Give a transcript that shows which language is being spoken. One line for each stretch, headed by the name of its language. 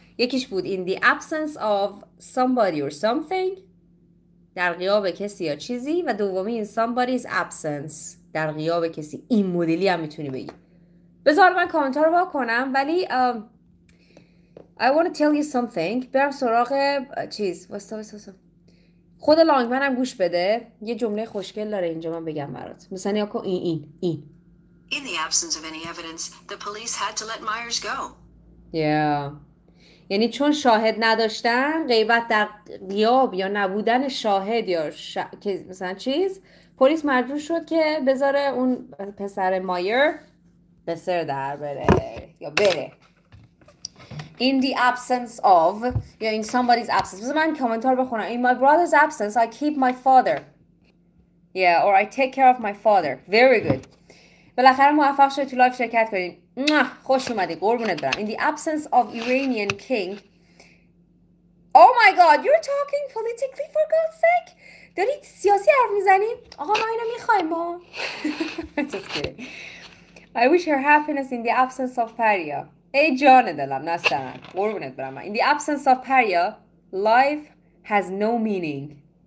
Persian: یکیش بود
English: in the absence of somebody or something,
Persian: در غیاب کسی یا چیزی, و دومی
English: in somebody's absence,
Persian: در غیاب کسی. این مدلی هم میتونی بگی. بذار من کامنت ها رو بکنم, ولی
English: I want to tell you something.
Persian: برم سراغ چیز. خود لانگمن هم گوش بده. یه جمله خوشگل داره اینجا من بگم برات. مثلا یکو این.
English: In the absence of any evidence, the police had to let Myers go. Yeah.
Persian: یعنی چون شاهد نداشتن, غیبت در غیاب یا نبودن شاهد یا مثلا چیز, پلیس مجبور شد که بذاره اون پسر مایر به سر در بره یا بره.
English: In the absence of,
Persian: یا
English: in somebody's absence.
Persian: بذار من کامنتار بخونم.
English: In my brother's absence, I keep my father. Yeah, or I take care of my father. Very good.
Persian: بالاخره موفق شدی تو لایف شرکت کنی. خوش اومدی. قربونت برم.
English: In the absence of Iranian king. Oh my god, you're talking politically for God's sake?
Persian: داری سیاسی حرف میزنی؟ آقا ما اینو میخوایم ما.
English: Just kidding. I wish her happiness in the absence of Paria.
Persian: ای جان دلم نستم. قربونت برم.
English: In the absence of Paria, life has no meaning.